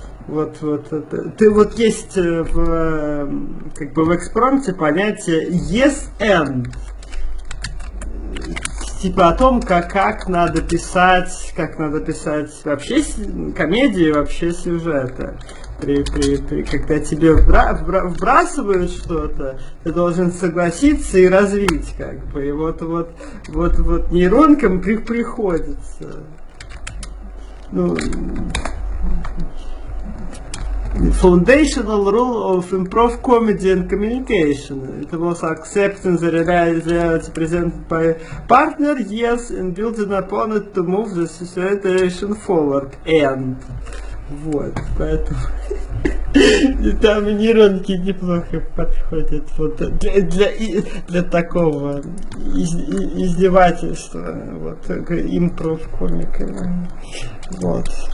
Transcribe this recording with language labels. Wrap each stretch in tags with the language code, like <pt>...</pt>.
<ru>ты вот есть в как бы в экспромте понятие yes and, типа о том, как надо писать вообще комедии, вообще сюжеты. При когда тебе вбрасывают что-то, ты должен согласиться и развить, как бы. И вот нейронкам приходится.</ru> <en>Ну, foundational rule of improv comedy and communication. It was accepting the reality presented by partner, yes, and building upon it to move the situation forward. And.</en> <ru>Вот, поэтому... Там нейронки неплохо подходят вот для такого издевательства. Вот, improv комиками. Вот.</ru>